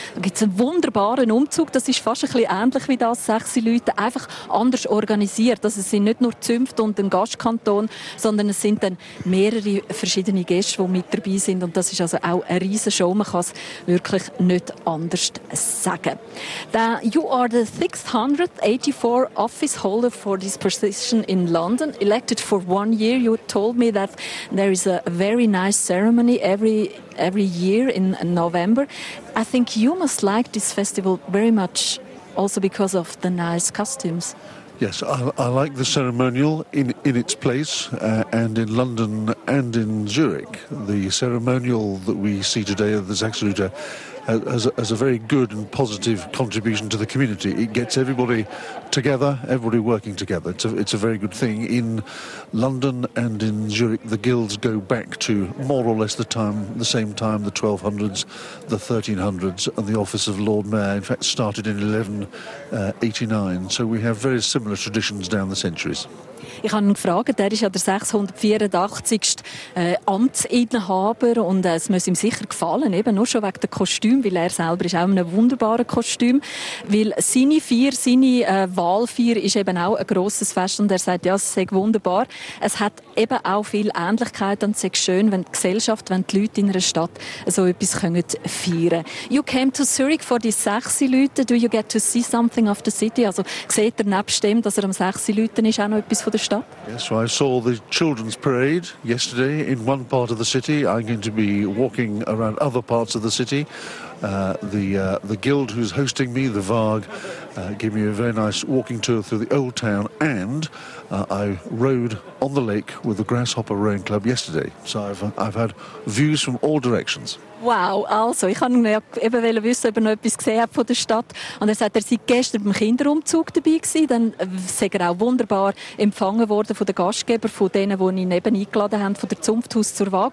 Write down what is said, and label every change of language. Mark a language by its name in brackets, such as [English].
[German] Da gibt es einen wunderbaren Umzug, das ist fast ein bisschen ähnlich wie das, Sechsi Leute, einfach anders organisiert. Also es sind nicht nur Zünft und ein Gastkanton, sondern es sind dann mehrere verschiedene Gäste, die mit dabei sind, und das ist also auch eine riesen Show, man kann es wirklich nicht anders sagen. [English] Da, you are the 684 office holder for this position in London, elected for 1 year. You told me that there is a very nice ceremony every year in November. I think you must like this festival very much also because of the nice costumes. Yes, I like the ceremonial in its place, and in London and in Zurich. The ceremonial that we see today of the Sechsi Leute as a very good and positive contribution to the community. It gets everybody together, everybody working together. It's a very good thing. In London and in Zurich, the guilds go back to more or less the same time, the 1200s, the 1300s, and the office of Lord Mayor, in fact, started in 1189. So we have very similar traditions down the centuries. [German] Ich habe ihn gefragt, er ist ja der 684. Amtsinhaber und es muss ihm sicher gefallen, eben nur schon wegen dem Kostüm, weil er selber ist auch ein wunderbares Kostüm, weil seine Wahlfeier ist eben auch ein grosses Fest und er sagt, ja, es sei wunderbar. Es hat eben auch viel Ähnlichkeit und es sei schön, wenn die Gesellschaft, wenn die Leute in einer Stadt so etwas können feiern. [English] You came to Zurich for die Sechsi Leute. Do you get to see something of the city? [German] Also seht ihr nebst dem, dass er am Sechsi Leuten ist, auch noch etwas von der Stadt? [English] Yes, so I saw the children's parade yesterday in one part of the city. I'm going to be walking around other parts of the city. The guild who's hosting me, the Varg, gave me a very nice walking tour through the old town, and I rode on the lake with the Grasshopper Rowing Club yesterday. So I've had views from all directions. [German] Wow, also ich wollte eben wissen, ob er noch etwas gesehen hat von der Stadt. Und er sagt, er sei gestern beim Kinderumzug dabei gewesen. Dann sei er auch wunderbar empfangen worden von den Gastgebern, von denen, die ihn eben eingeladen haben, von der Zunfthaus zur Waag.